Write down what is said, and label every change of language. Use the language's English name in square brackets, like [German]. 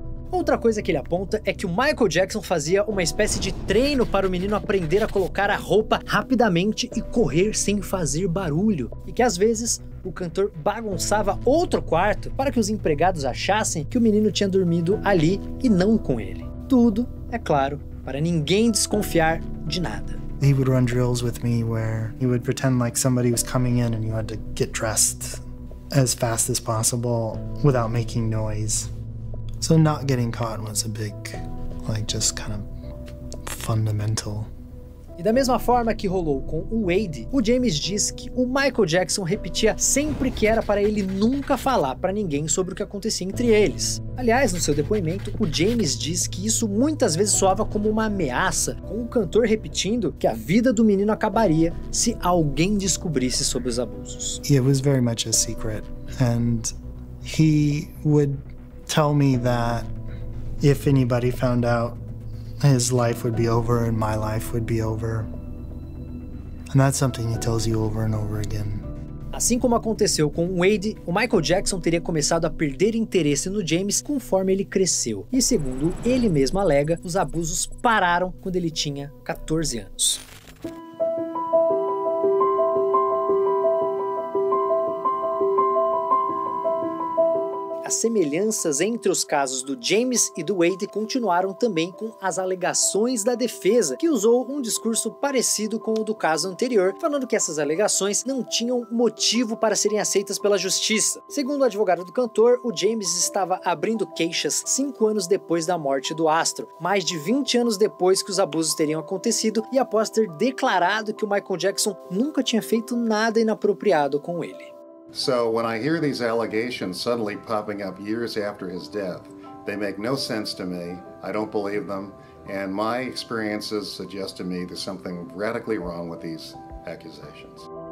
[Portuguese] Outra coisa que ele aponta é que o Michael Jackson fazia uma espécie de treino para o menino aprender a colocar a roupa rapidamente e correr sem fazer barulho. E que às vezes o cantor bagunçava outro quarto para que os empregados achassem que o menino tinha dormido ali e não com ele. Tudo, é claro, para ninguém desconfiar de nada. [English] He would run drills with me where he would pretend like somebody was coming in and you had to get dressed as fast as possible without making noise. So not getting caught was a big, like, just kind of fundamental. [Portuguese] E da mesma forma que rolou com o Wade, o James diz que o Michael Jackson repetia sempre que era para ele nunca falar para ninguém sobre o que acontecia entre eles. Aliás, no seu depoimento, o James diz que isso muitas vezes soava como uma ameaça, com o cantor repetindo que a vida do menino acabaria se alguém descobrisse sobre os abusos. [English] It was very much a secret, and he would tell me that if anybody found out, his life would be over and my life would be over. And that's something he tells you over and over again. [Portuguese] Assim como aconteceu com Wade, o Michael Jackson teria começado a perder interesse no James conforme ele cresceu. E segundo ele mesmo alega, os abusos pararam quando ele tinha 14 anos. as semelhanças entre os casos do James e do Wade continuaram também com as alegações da defesa, que usou um discurso parecido com o do caso anterior, falando que essas alegações não tinham motivo para serem aceitas pela justiça. Segundo o advogado do cantor, o James estava abrindo queixas 5 anos depois da morte do astro, mais de 20 anos depois que os abusos teriam acontecido e após ter declarado que o Michael Jackson nunca tinha feito nada inapropriado com ele. [English] So when I hear these allegations suddenly popping up years after his death, they make no sense to me. I don't believe them, and my experiences suggest to me there's something radically wrong with these accusations.